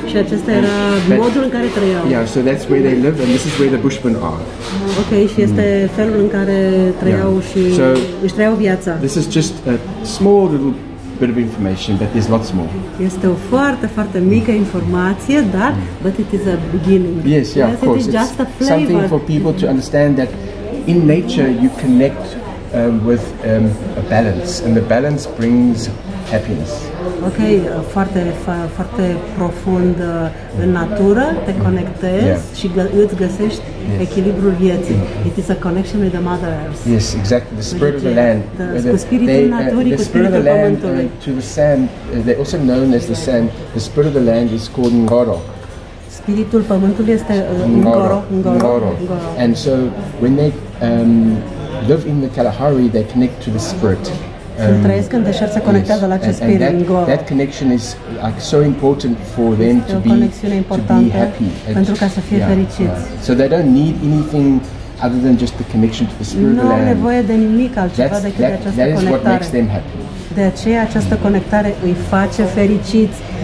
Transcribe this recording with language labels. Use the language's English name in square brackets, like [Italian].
[Romanian] Și acesta era modul în care trăiau. [English] Yeah, so that's where they live and this is where the Bushmen are. [Romanian] Okay, și este felul în care trăiau și își trăiau viața. [English] This is just a small little bit of information, but there's lots more. [Romanian] Este o foarte, foarte mică informație, dar [English] but it is a beginning. Yes, yeah, of course. It is just a flavor. Something for people to understand that in nature you connect with a balance, and the balance brings happiness. [Romanian] Okay, foarte, foarte profund în natură, te conectezi și îți găsești echilibrul vieții. [English] It is a connection with the Mother Earth. Yes, exactly. The spirit of the land. [Romanian] Cu spiritul naturii, cu spiritul pământului. [English] To the sand, they're also known as the sand. The spirit of the land is called Ngoro. [Romanian] Spiritul pământului este Ngoro. [English] And so when they live in the Kalahari, they connect to the spirit. [Romanian] Trăiesc în deșert, se conectează la acest spirit, [English] that connection is like so important for them to be happy, [Romanian] pentru ca să fie fericiți. [English] So they don't need anything other than just the connection to the spirit. [Romanian] Nu au nevoie de nimic altceva decât de această conectare. [English] That is what makes them happy. [Romanian] De aceea această conectare îi face fericiți.